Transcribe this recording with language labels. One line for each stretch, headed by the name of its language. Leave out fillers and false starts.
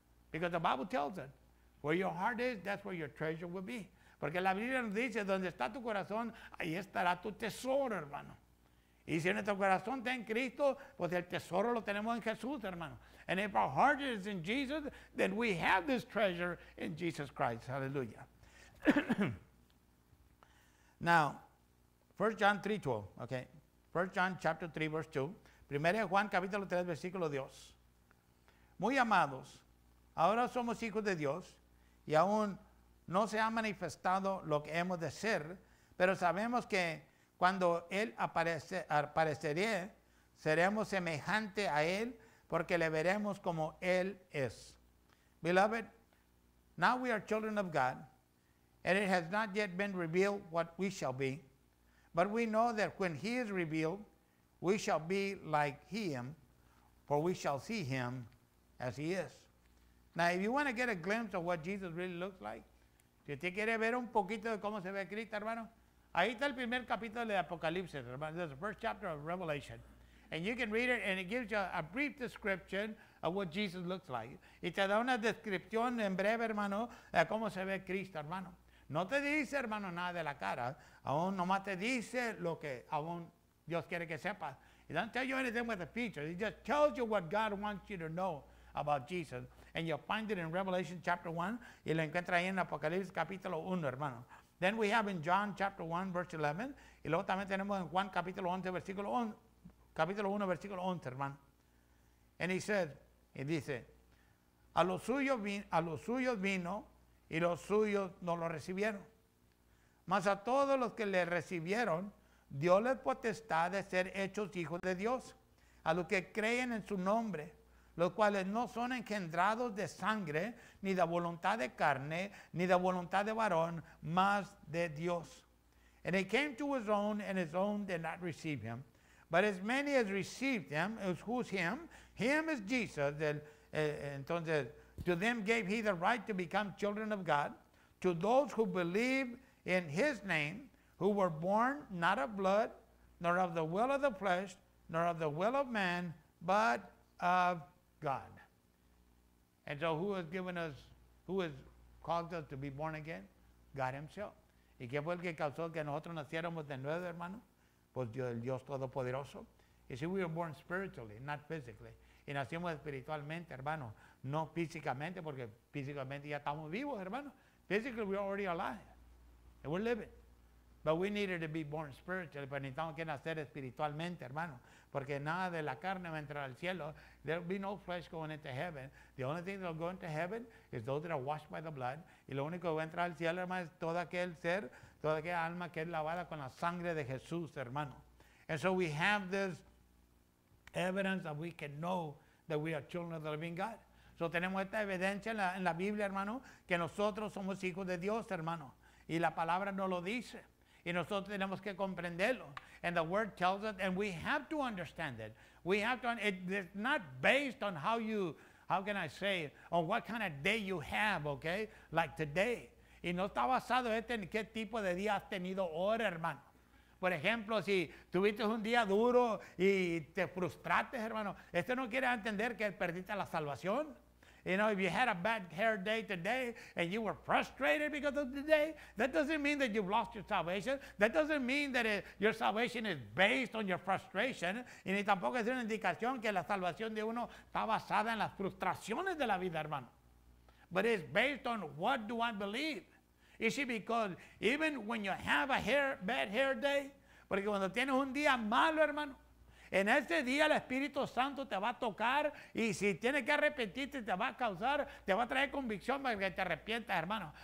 English: Because the Bible tells it, where your heart is, that's where your treasure will be.
Spanish: Porque la Biblia nos dice, donde está tu corazón, ahí estará tu tesoro, hermano. Y si nuestro corazón está en Cristo, pues el tesoro lo tenemos en Jesús, hermano.
English: And if our heart is in Jesus, then we have this treasure in Jesus Christ. Hallelujah. Now, 1 John 3:12. Okay. 1 John chapter 3, verse 2.
Spanish: 1 Juan capítulo 3, versículo 2. Muy amados, ahora somos hijos de Dios y aún no se ha manifestado lo que hemos de ser, pero sabemos que cuando Él apareceré, seremos semejante a Él porque le veremos como Él es.
English: Beloved, now we are children of God, and it has not yet been revealed what we shall be, but we know that when He is revealed, we shall be like Him, for we shall see Him as He is. Now, if you want to get a glimpse of what Jesus really looks like,
Spanish: si usted quiere ver un poquito de cómo se ve Cristo, hermano, ahí está el primer capítulo de Apocalipsis, hermano.
English: This is the first chapter of Revelation. And you can read it, and it gives you a brief description of what Jesus looks like.
Spanish: Y te da una descripción en breve, hermano, de cómo se ve Cristo, hermano. No te dice, hermano, nada de la cara. Aún nomás te dice lo que aún Dios quiere que sepas.
English: It doesn't tell you anything with the features. It just tells you what God wants you to know about Jesus. And you'll find it in Revelation chapter 1.
Spanish: Y lo encuentra ahí en Apocalipsis capítulo 1, hermano.
English: Then we have in John chapter 1, verse 11.
Spanish: Y luego también tenemos en Juan capítulo 11, versículo 11. Capítulo 1, versículo 11, hermano.
English: And he said,
Spanish: y dice, a los suyos vino y los suyos no lo recibieron. Mas a todos los que le recibieron, dio la potestad de ser hechos hijos de Dios. A los que creen en su nombre, los cuales no son engendrados de sangre, ni de voluntad de carne, ni de voluntad de varón, más de Dios.
English: And he came to his own, and his own did not receive him. But as many as received him, who's him? Him is Jesus.
Spanish: Entonces,
English: to them gave he the right to become children of God, to those who believe in his name, who were born not of blood, nor of the will of the flesh, nor of the will of man, but of God. And so who has given us, who has caused us to be born again? God himself.
Spanish: ¿Y qué fue el que causó que nosotros naciéramos de nuevo, hermano? Pues Dios, el Dios Todopoderoso.
English: You see, we were born spiritually, not physically.
Spanish: Y nacimos espiritualmente, hermano, no físicamente, porque físicamente ya estamos vivos, hermano.
English: Physically, we're already alive. And we're living. But we needed to be born spiritually,
Spanish: pero necesitamos que nacer espiritualmente, hermano. Porque nada de la carne va a entrar al cielo.
English: There will be no flesh going into heaven. The only thing that will go into heaven is those that are washed by the blood.
Spanish: Y lo único que va a entrar al cielo, hermano, es todo aquel ser, toda aquella alma que es lavada con la sangre de Jesús, hermano.
English: And so we have this evidence that we can know that we are children of the living God.
Spanish: So tenemos esta evidencia en la Biblia, hermano, que nosotros somos hijos de Dios, hermano. Y la palabra no lo dice. Y nosotros tenemos que comprenderlo.
English: And the word tells us, and we have to understand it. We have to, it's not based on how you, how can I say, on what kind of day you have, okay? Like today.
Spanish: Y no está basado en qué tipo de día has tenido ahora, hermano. Por ejemplo, si tuviste un día duro y te frustraste, hermano, esto no quiere entender que perdiste la salvación.
English: You know, if you had a bad hair day today and you were frustrated because of the day, that doesn't mean that you've lost your salvation. That doesn't mean that your salvation is based on your frustration.
Spanish: Y ni tampoco es una indicación que la salvación de uno está basada en las frustraciones de la vida, hermano.
English: But it's based on what do I believe. You see, because even when you have a bad hair day,
Spanish: porque cuando tienes un día malo, hermano, en ese día el Espíritu Santo te va a tocar y si tienes que arrepentirte, te va a causar, te va a traer convicción para que te arrepientas, hermano.